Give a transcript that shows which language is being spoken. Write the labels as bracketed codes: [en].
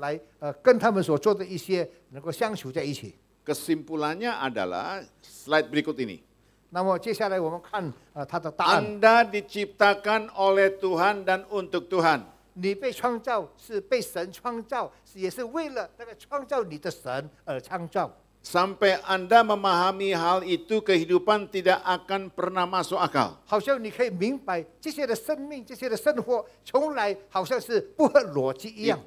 [zh] 所以他们应该很好的来跟他们所做的一些能够相处在一起. [id] Kesimpulannya adalah slide berikut ini. [zh] 那么接下来我们看他的答案. [id] Anda diciptakan oleh Tuhan dan untuk Tuhan. [zh] 你被创造是被神创造，也是为了那个创造你的神而创造. [id] Sampai Anda memahami hal itu, kehidupan tidak akan pernah masuk akal. [zh] 好像你可以明白这些的生命，这些的生活，从来好像是不合逻辑一样.